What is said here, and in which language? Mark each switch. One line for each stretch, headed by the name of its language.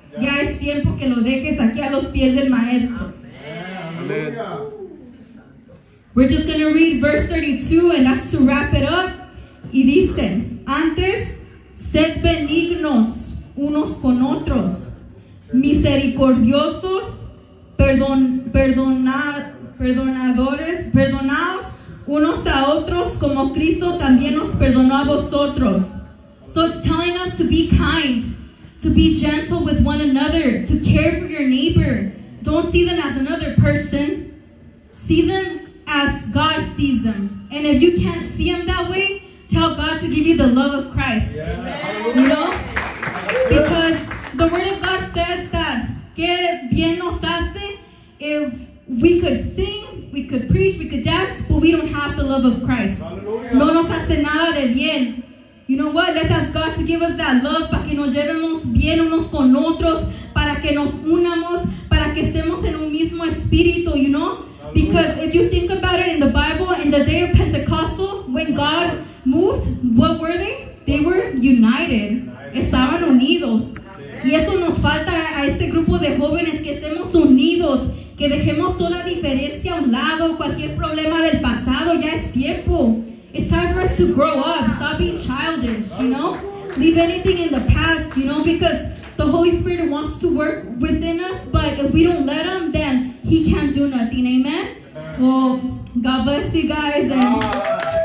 Spanish: Ya es tiempo que lo dejes aquí a los pies del Maestro. Amen.
English: We're just going to read verse 32, and that's to wrap it up.
Spanish: Y dice, antes, sed benignos unos con otros, misericordiosos, perdonaos unos a otros, como Cristo también os perdonó a vosotros.
English: So it's telling us to be kind, to be gentle with one another, to care for your neighbor. Don't see them as another person. See them as God sees them. And if you can't see them that way, tell God to give you the love of Christ. Yeah. You know? Because the word of God says that
Spanish: que bien nos hace
English: if we could sing, we could preach, we could dance, but we don't have the love of Christ. Hallelujah.
Spanish: No nos hace nada de bien.
English: You know what? Let's ask God to give us that love
Spanish: para que nos llevemos bien unos con otros, para que nos unamos, para que estemos en un mismo espíritu,
English: you know? Because if you think about it in the Bible, in the day of Pentecostal, when God moved, what were they? They were united.
Spanish: Estaban unidos. Y eso nos falta a este grupo de jóvenes, que estemos unidos, que dejemos toda diferencia a un lado, cualquier problema del pasado, ya es tiempo.
English: It's time for us to grow up. Stop being childish, you know? Leave anything in the past, you know, because the Holy Spirit wants to work within us, but if we don't let him, then he can't do nothing. Amen? Well, God bless you guys. And